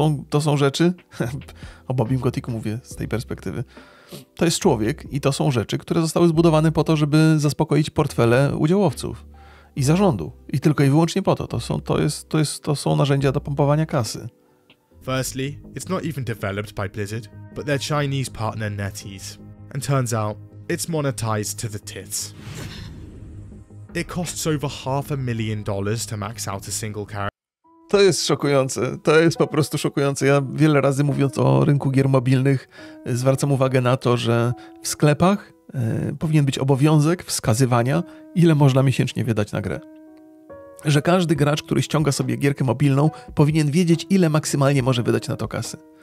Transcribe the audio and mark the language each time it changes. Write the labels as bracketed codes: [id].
[pl] To są rzeczy, o Bobby'm Kotiku mówię z tej perspektywy, to jest człowiek i to są rzeczy, które zostały zbudowane po to, żeby zaspokoić portfele udziałowców i zarządu. I tylko i wyłącznie po to. To są narzędzia do pompowania kasy. [en] Firstly, it's not even developed by Blizzard, but their Chinese partner NetEase. And turns out, it's monetized to the tits. It costs over $500,000 to max out a single character. [pl] To jest szokujące. To jest po prostu szokujące. Ja wiele razy mówiąc o rynku gier mobilnych, zwracam uwagę na to, że w sklepach powinien być obowiązek wskazywania, ile można miesięcznie wydać na grę. Że każdy gracz, który ściąga sobie gierkę mobilną, powinien wiedzieć, ile maksymalnie może wydać na to kasy.